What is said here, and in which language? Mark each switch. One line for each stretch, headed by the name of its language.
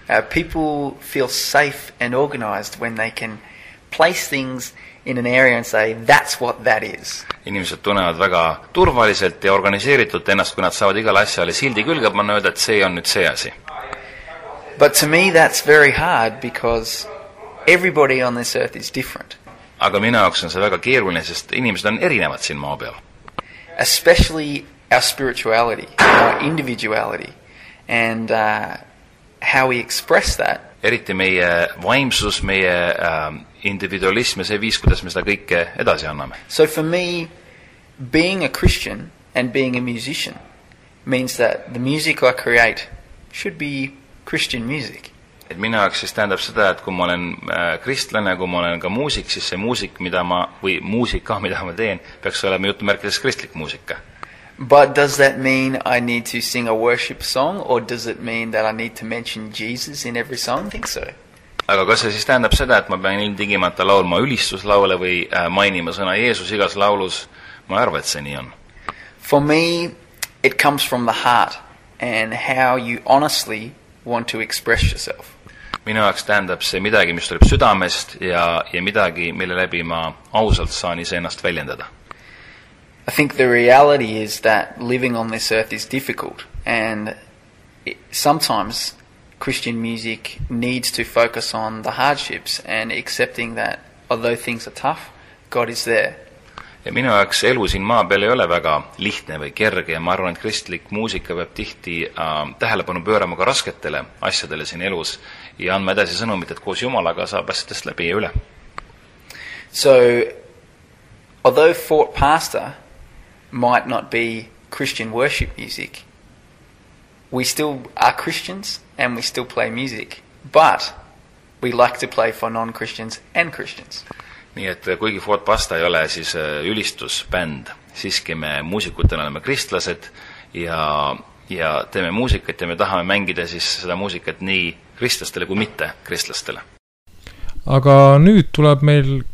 English: People feel safe and organized when they can place things in an area and say, that's what that is.
Estonian: Inimesed tunnevad väga turvaliselt ja organiseeritud ennast, kui nad saavad igal asjale sildi külge, ma nõuda, et see on nüüd see asi.
English: But to me that's very hard because everybody on this earth is different.
Estonian: Aga minu jaoks on see väga keeruline, sest inimesed on erinevad siin maa peal.
English: Especially our spirituality, our individuality, and how we express that.
Estonian: Eriti meie vaimsus, meie individualism ja see viis, kuidas me seda kõike edasi anname.
English: So for me, being a Christian and being a musician means that the music I create should be Christian music.
Estonian: Et minu jaoks siis tähendab seda, et kui ma olen kristlane, kui ma olen ka muusik, siis see muusik, mida ma, või muusika, mida ma teen, peaks olema jutumärkides kristlik muusika.
English: But does that mean I need to sing a worship song, or does it mean that I need to mention Jesus in every song? I think so.
Estonian: Aga kas see siis tähendab seda, et ma pean ilmtingimata laulma ülistuslaule või mainima sõna Jeesus igas laulus? Ma arvan, et see nii on.
English: For me, it comes from the heart and how you honestly want to express yourself.
Estonian: Minu jaoks tähendab see midagi, mis tuleb südamest ja midagi, mille läbi ma ausalt saan ise ennast väljendada.
English: I think the reality is that living on this earth is difficult and sometimes Christian music needs to focus on the hardships and accepting that although things are tough, God is there.
Estonian: Ja minu jaoks elu siin maa peal ei ole väga lihtne või kerge ja ma arvan, et kristlik muusika peab tihti tähelepanu pöörama ka rasketele asjadele siin elus ja andma edasi sõnumit, et koos Jumalaga saab asjadest läbi ja üle.
English: So, although Fort Pastor might not be Christian worship music, we still are Christians and we still play music, but we like to play for non-Christians and Christians.
Estonian: Nii et kuigi Fort Pasta ei ole siis ülistusbänd, siiski me muusikutena oleme kristlased ja teeme muusikat ja me tahame mängida siis seda muusikat nii kristlastele kui mitte kristlastele. Aga nüüd tuleb meil...